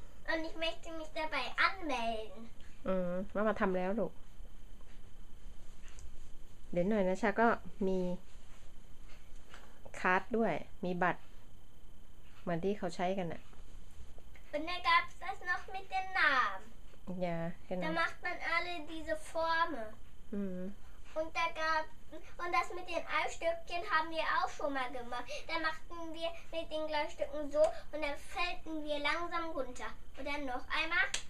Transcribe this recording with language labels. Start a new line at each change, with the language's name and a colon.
German: Und ich möchte mich dabei anmelden.
Thai: Mama ทำแล้วลูกเดี๋ยวหน่อยนะชาก็มีคาร์ดด้วยมีบัตรเหมือนที่เขาใช้กันอ่ะ
German: Und da gab es das noch mit dem Namen. Ja, genau. Da macht man alle diese Formen. Und das mit den Eisstückchen haben wir auch schon mal gemacht. Da machten wir mit den Gleichstücken so und dann fällten wir langsam runter. Und dann noch einmal.